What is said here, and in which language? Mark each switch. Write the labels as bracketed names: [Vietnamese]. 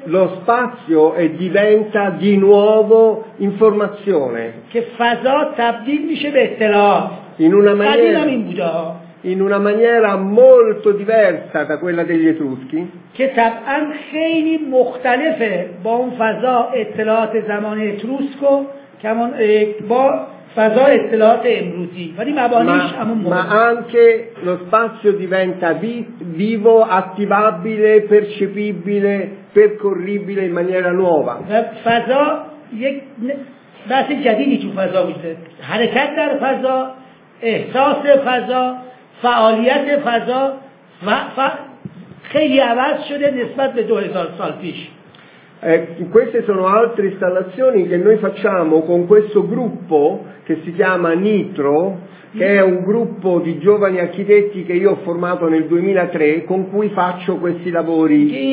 [Italian] Lo spazio diventa di nuovo informazione. [Persian] Che فضا تبدیل میشه به اطلاعات. [Italian] In una maniera. [Persian] این بوده. [Italian] In una maniera molto diversa da quella degli Etruschi. [Persian] Che طبعاً خیلی مختلفه با اون فضا اطلاعات زمان اتروسکو کمان با فضا اطلاعات امروزی ولی مبانیش همون [Italian] ما anche lo spazio diventa vivo, attivabile, percepibile, percorribile in maniera nuova. [Persian] فضا یک بحث جدیدی تو فضا میشه. حرکت در فضا، احساس فضا، فعالیت فضا و خیلی عوض شده نسبت به 2000 سال پیش. [Italian] Queste sono altre installazioni che noi facciamo con questo gruppo che si chiama NITRO, che è un gruppo di giovani architetti che io ho formato nel 2003, con cui faccio questi lavori